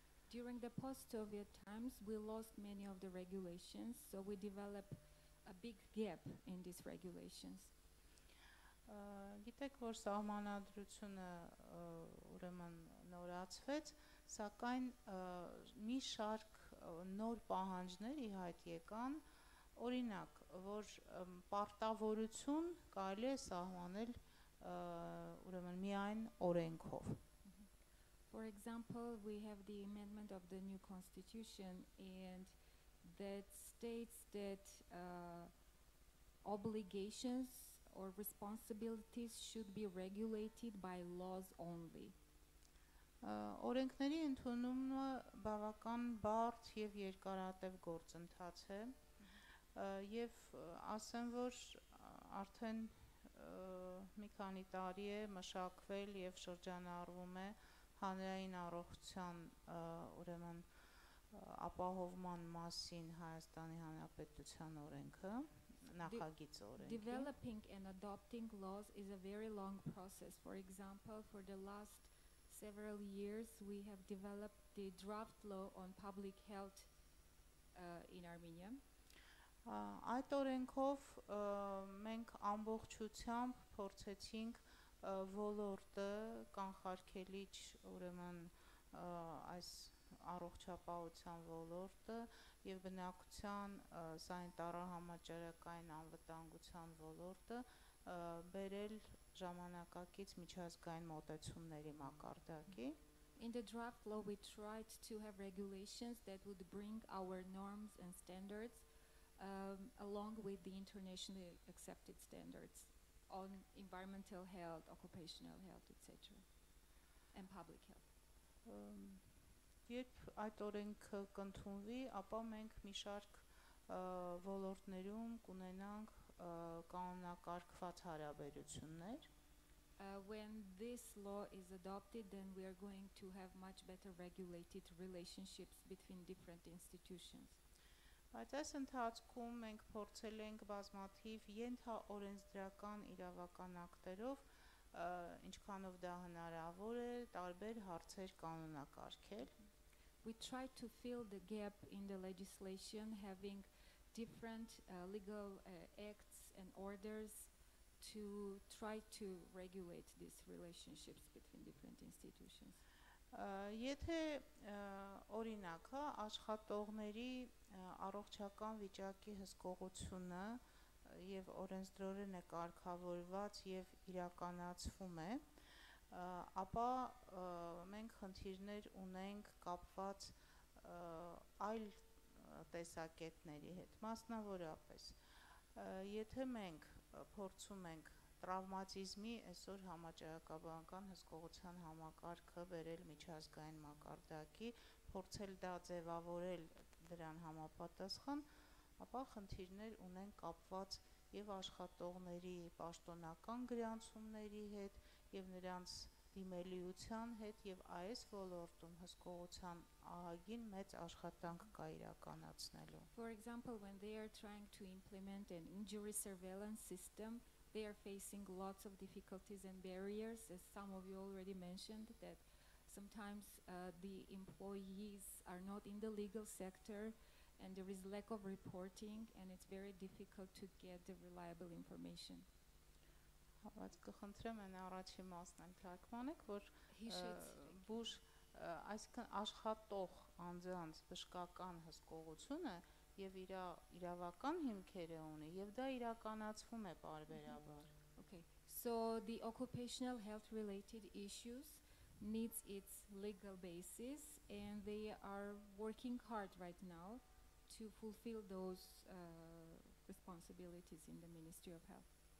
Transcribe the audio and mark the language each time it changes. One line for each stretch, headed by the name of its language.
English: During the post-Soviet times, we lost many of the regulations, so we developed a big gap in these regulations.
Armenian: Գիտեք, որ սահմանադրությունը ուրեմն նորացվեց, սակայն մի շարք նոր պահանջներ իհայտ եկան, օրինակ, որ պարտավորություն կարելի է սահմանել ուրեմն միայն օրենքով.
English: For example, we have the amendment of the new constitution, and that states that obligations or responsibilities should be regulated by laws only.
Armenian: Օրենքների ընդունումը բավական բարդ և երկարատև գործընթաց է, և ասեմ, որ արդեն մի քանի տարի է մշակվել և շրջանառվում է հանրային առողջության ուրեմն ապահովման մասին Հայաստանի Հանրապետության օրենքը, նախագիծ օրենքը.
English: Developing and adopting laws is a very long process. For example, for the last several years, we have developed the draft law on public health in Armenia.
Armenian: Այդ օրենքով մենք ամբողջությամբ փորձեցինք ոլորտը կանխարգելիչ, ուրեմն այս առողջապահության ոլորտը եւ բնակության սայն տարահամաճարակային անվտանգության ոլորտը բերել ժամանակակից միջազգային մոտեցումների մակարդակի.
English: In the draft law, we tried to have regulations that would bring our norms and standards along with the internationally accepted standards on environmental health, occupational health, etc., and public health.
Armenian: Երբ այդ օրենքը կընդունվի, ապա մենք մի շարք ոլորտներում կունենանք կանոնակարգված հարաբերություններ.
English: When this law is adopted, then we are going to have much better regulated relationships between different institutions.
Armenian: Բայց այս ընթացքում մենք փորձել ենք բազմաթիվ ենթաօրենսդրական իրավական ակտերով, ինչքանով դա հնարավոր է, տարբեր հարցեր կանոնակարգել.
English: We try to fill the gap in the legislation having different legal acts and orders to try to regulate these relationships between different institutions.
Armenian: Եթե օրինակ հա աշխատողների առողջական վիճակի հսկողությունը եւ օրենսդրորեն է կարգավորված եւ իրականացվում է, ապա մենք խնդիրներ ունենք կապված այլ տեսակետների հետ, մասնավորապես եթե մենք փորձում ենք տրավմատիզմի այսօր համաճարակաբանական հսկողության համակարգը վերել միջազգային մակարդակի, փորձել դա ձևավորել դրան համապատասխան, ապա խնդիրներ ունենք կապված եւ աշխատողների պաշտոնական գրանցումների հետ եւ նրանց դիմելիության հետ եւ այս ոլորտում հսկողության ահագին մեծ աշխատանք կա իրականացնելու.
English: For example, when they are trying to implement an injury surveillance system, they are facing lots of difficulties and barriers, as some of you already mentioned, that sometimes the employees are not in the legal sector and there is lack of reporting and it's very difficult to get the reliable information.
Armenian: Բայց կխնդրեմ այն առաջի մասն եմ թարգմանեք, որ բուժ այսինքն աշխատող անձանց բժշկական հսկողությունը եւ իր իրավական հիմքերը ունի եւ դա իրականացվում է պարբերաբար.
English: Okay. So the occupational health related issues needs its legal basis and they are working hard right now to fulfill those responsibilities in the Ministry of Health.